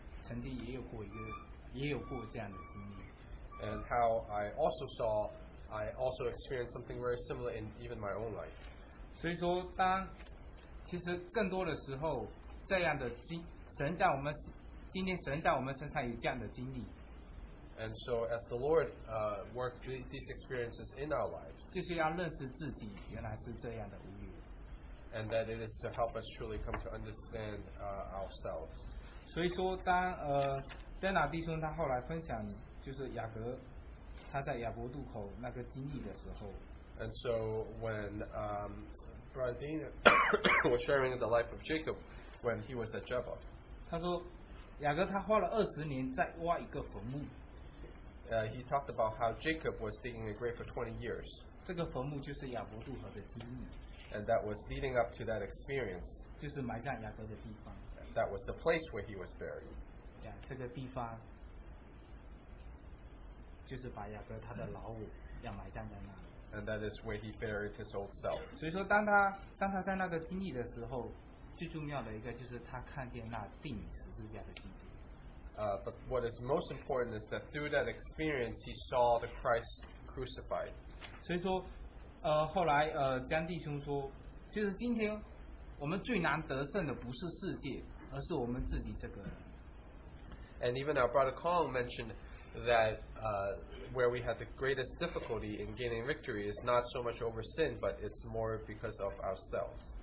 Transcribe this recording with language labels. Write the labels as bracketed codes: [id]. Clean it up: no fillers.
[zh] 那我再回想，今天神在我身上曾经也有过这样的经历。 [en] And how I also experienced something very similar in even my own life. [zh] 所以说当 其实更多的时候，这样的经，神在我们今天神在我们身上有这样的经历。 [en] And so as the Lord worked these experiences in our lives, [zh] 就是要认识自己原来是这样的无语。 [en] And that it is to help us truly come to understand ourselves. [zh] 所以说当丹娜弟兄他后来分享就是雅各他在雅伯渡口那个经历的时候。 [en] And so when Radina was sharing the life of Jacob when he was at Jebel. [zh] 他说，雅各他花了二十年在挖一个坟墓。 [en] He talked about how Jacob was digging a grave for 20 years. [zh] 这个坟墓就是亚伯渡河的经历。 [en] And that was leading up to that experience. [zh] 就是埋葬雅各的地方。 [en] That was the place where he was buried. [zh] 这个地方就是把雅各他的老母要埋葬在那。 [en] And that is where he buried his old self. [zh] 所以说当他在那个经历的时候, 最重要的一个就是他看见那钉十字架的基督。 [en] But what is most important is that through that experience, he saw the Christ crucified. [zh] 所以说，后来江弟兄说, 其实今天我们最难得胜的不是世界, 而是我们自己这个人。 [en] And even our brother Colin mentioned that where we had the greatest difficulty in gaining victory is not so much over sin, but it's more because of ourselves.